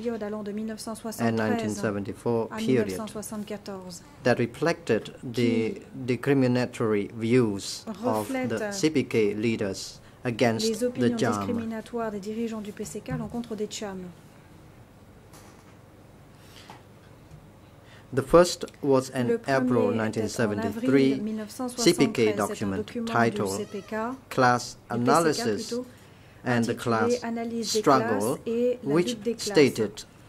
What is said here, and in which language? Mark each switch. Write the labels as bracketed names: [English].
[English] 1973 and 1974 period that reflected the discriminatory views of the CPK leaders against the CHAM. [French] Discriminatoires des dirigeants du PCK à l'encontre des CHAM. [English] The first was an April 1973 CPK document titled Class Analysis and the Class Struggle, which stated,